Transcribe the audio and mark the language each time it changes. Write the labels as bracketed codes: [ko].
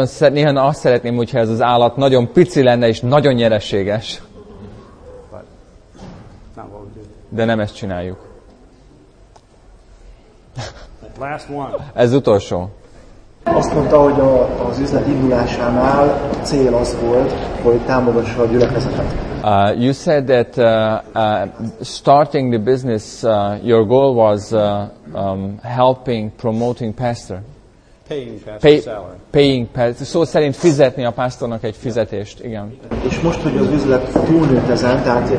[hu] Néha azt szeretném, hogyha ez az állat nagyon pici lenne, és nagyon nyereséges. De nem ezt csináljuk. [en] Last one. [hu] Ez utolsó. Azt mondta, hogy az üzlet indulásánál cél az volt, hogy támogassa a gyülekezetet. [en] You said that starting the business, your goal was helping, promoting pastor. Paying pastor. [hu] Szó szerint fizetni a pásztornak egy fizetést, igen. És most, hogy az üzlet túlnőtt ezen, tehát...